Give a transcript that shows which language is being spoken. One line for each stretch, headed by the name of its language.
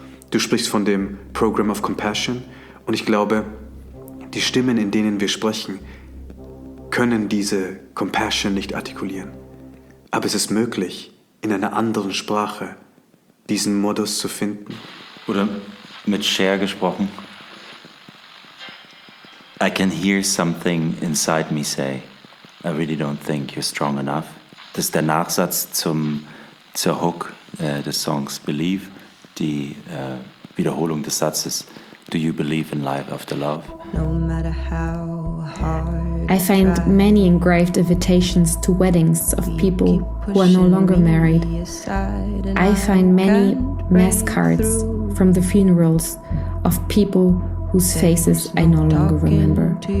German: Du sprichst von dem Program of Compassion und ich glaube, die Stimmen, in denen wir sprechen, können diese Compassion nicht artikulieren. Aber es ist möglich, in einer anderen Sprache diesen Modus zu finden. Oder mit Cher gesprochen.
English: I can hear something inside me say, I really don't think you're strong enough.
German: Das ist der Nachsatz zur Hook des Songs Believe, die Wiederholung des Satzes
English: Do you believe in life after love? No matter how I find many engraved invitations to weddings of people who are no longer married. I find many mass cards from the funerals of people whose faces I no longer remember.